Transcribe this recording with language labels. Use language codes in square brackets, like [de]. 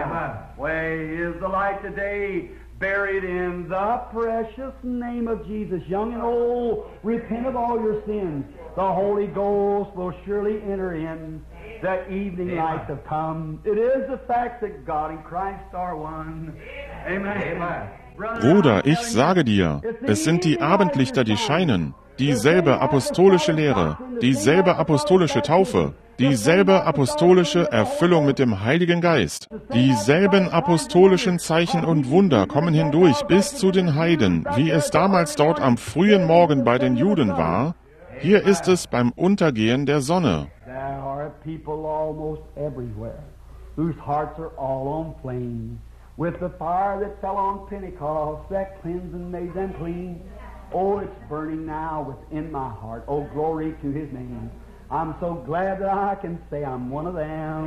[en] Yeah, way is the light today, buried in the precious name of Jesus. Young and old, repent of all your sins. The Holy Ghost will surely enter in. The evening lights have come. It is the fact that God and Christ are one. Amen. Amen. [de] Bruder, ich sage dir, es sind die Abendlichter, die scheinen. Dieselbe apostolische Lehre, dieselbe apostolische Taufe, dieselbe apostolische Erfüllung mit dem Heiligen Geist, dieselben apostolischen Zeichen und Wunder kommen hindurch bis zu den Heiden, wie es damals dort am frühen Morgen bei den Juden war. Hier ist es beim Untergehen der Sonne. [en] There are people almost everywhere whose hearts are all on flame. with the fire that fell on Pentecost that cleansed and made them clean. Oh, it's burning now within my heart. Oh, glory to his name. I'm so glad that I can say I'm one of them.